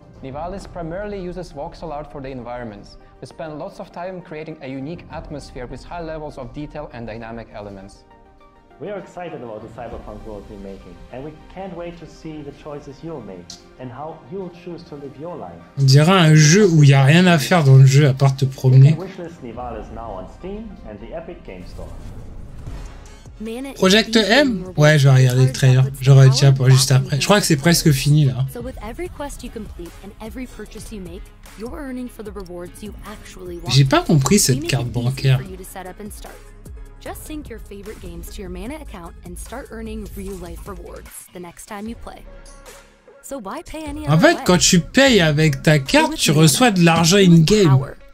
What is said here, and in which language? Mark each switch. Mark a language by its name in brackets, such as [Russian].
[English] Nivalis primarily uses voxel art for the environments. We spend lots of time creating a unique atmosphere with high levels of detail and dynamic elements. We are excited about the cyberpunk world we're making, and we can't wait to see the choices you'll make and how you'll choose to live your life. [French] On dirait un jeu où il y a rien à faire dans le jeu à part te promener. [English] Wishlist Nivalis now on Steam and the Epic Game Store. [French] Project M? Ouais, je vais regarder le trailer. Je retiens pour juste après. Je crois que c'est presque fini là. [English] So with every quest you complete and every purchase you make, you're earning for the rewards you actually want. [French] J'ai pas compris cette carte bancaire. [English] Just sync your favorite games to your Mana account and start earning real-life rewards the next time you play. So why pay any other way? [French] En fait, quand tu payes avec ta carte, tu reçois de l'argent in-game.